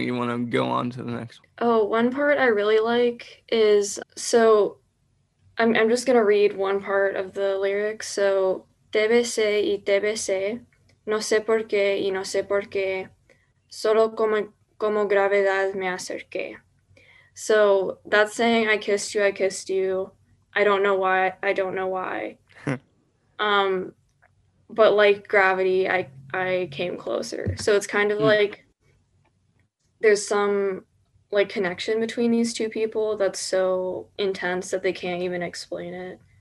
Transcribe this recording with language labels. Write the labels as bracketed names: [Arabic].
[English] You want to go on to the next one? Oh, one part I really like is, so I'm just going to read one part of the lyrics. [Spanish] So, te besé y te besé, no sé por qué y no sé por qué, solo como gravedad me acerqué. [English] So that's saying, I kissed you, I don't know why. But like gravity, I came closer. So it's kind of like there's some like connection between these two people that's so intense that they can't even explain it.